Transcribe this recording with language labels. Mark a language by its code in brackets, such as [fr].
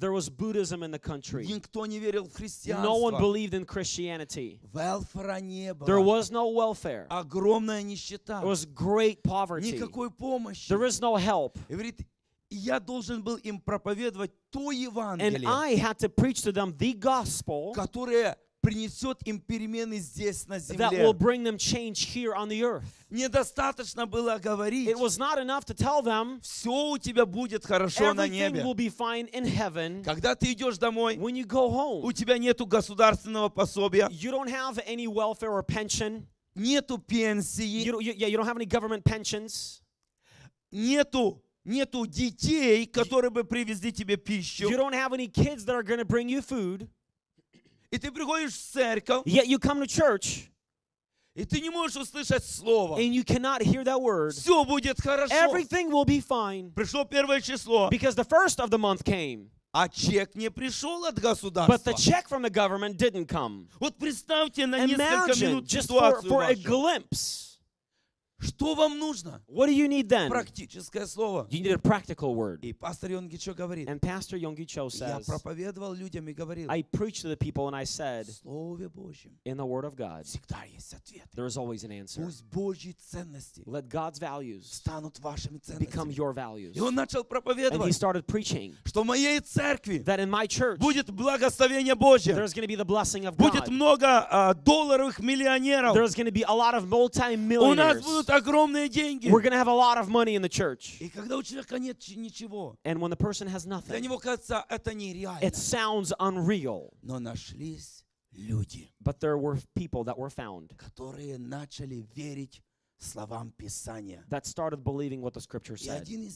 [en] There was Buddhism in the country. [ru] Никто не верил в христианство. [en] No one believed in Christianity. [ru] Велфера не было. [en] There was no welfare. [ru] Огромная нищета. [en] There was great poverty. [ru] Никакой помощи. [en] There was no help. [ru] И говорит, я должен был им проповедовать то Евангелие. [en] And I had to preach to them the gospel, [ru] которое принесет им перемены здесь на земле. [en] That will bring them change here on the earth. [ru] Недостаточно было говорить. [en] It was not enough to tell them. [ru] Все у тебя будет хорошо на небе. [en] Everything will be fine in heaven. [ru] Когда ты идешь домой, [en] when you go home, [ru] у тебя нету государственного пособия. [en] You don't have any welfare or pension. [ru] Нету пенсии. [en] You don't have any government pensions. [ru] Нету детей, которые бы привезли тебе пищу. [en] You don't have any kids that are going to bring you food. [ru] И ты приходишь в церковь. [en] Yet you come to church. [ru] И ты не можешь услышать слово. [en] And you cannot hear that word. [ru] Все будет хорошо. [en] Everything will be fine. [ru] Пришло первое число. [en] Because the first of the month came. [ru] А чек не пришел от государства. [en] But the check from the government didn't come. [ru] Вот представьте на [en] Imagine [ru] несколько минут [en] just [ru] ситуацию [en] for a glimpse. [ru] Что вам нужно? [en] What do you need then? [ru] Практическое слово. [en] You need a practical word. [ru] И пастор Йонги Чо говорит. [en] And Pastor Йонги Чо says. [ru] Я проповедовал людям и говорил. [en] I preached to the people and I said. [ru] В Слове Божьем. [en] In the Word of God. [ru] Всегда есть ответ. [en] There is always an answer. [ru] Пусть Божьи ценности. [en] Let God's values. [ru] Станут вашими ценностями. [en] Become your values. [ru] И он начал проповедовать. [en] And he started preaching. [ru] Что в моей церкви. [en] That in my church. [ru] Будет благословение Божье. [en] There's going to be the blessing of God. [ru] Будет много долларовых миллионеров. [en] There's going to be a лот of multi-millionaires. We're going to have a lot of money in the church. And when the person has nothing, it sounds unreal. But there were people that were found that started believing what the scripture said.